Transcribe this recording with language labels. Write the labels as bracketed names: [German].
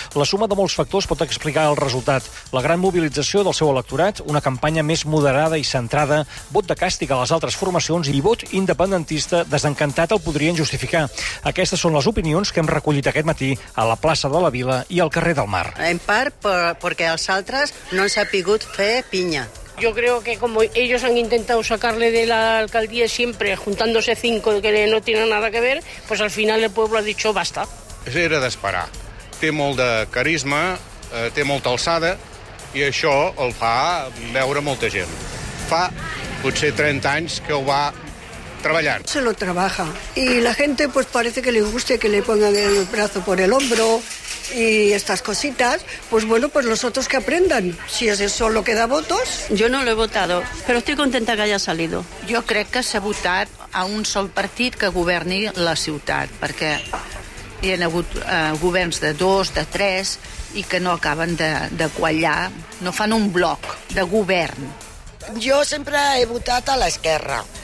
[Catalan] La suma de molts factors pot explicar el resultat. La gran mobilització del seu electorat, una campanya més moderada i centrada, vot de càstig a les altres formacions i vot independentista de desencantat el podrien justificar. Aquestes són les opinions que hem recollit aquest matí a la plaça de la Vila i al carrer del Mar. En part perquè els altres no han sabut fer pinya. [Spanish] Yo creo que como ellos han intentado sacarle de la alcaldía siempre juntándose 5 que no tienen nada que ver, pues al final el pueblo ha dicho basta. [Catalan] Era d'esperar. Té molt de carisma, té molta alçada i això el fa veure molta gent. Fa potser 30 anys que ho va treballant. [Spanish] Se lo trabaja y la gente pues parece que le guste que le pongan el brazo por el hombro y estas cositas, pues bueno, pues los otros que aprendan. Si es eso lo que da votos. Yo no lo he votado, pero estoy contenta que haya salido. Yo creo que se ha [Catalan] votat a un sol partit que governi la ciutat, perquè hi han hagut governs de 2, de 3 i que no acaben de quallar, no fan un bloc de govern. Jo sempre he votat a l'esquerra.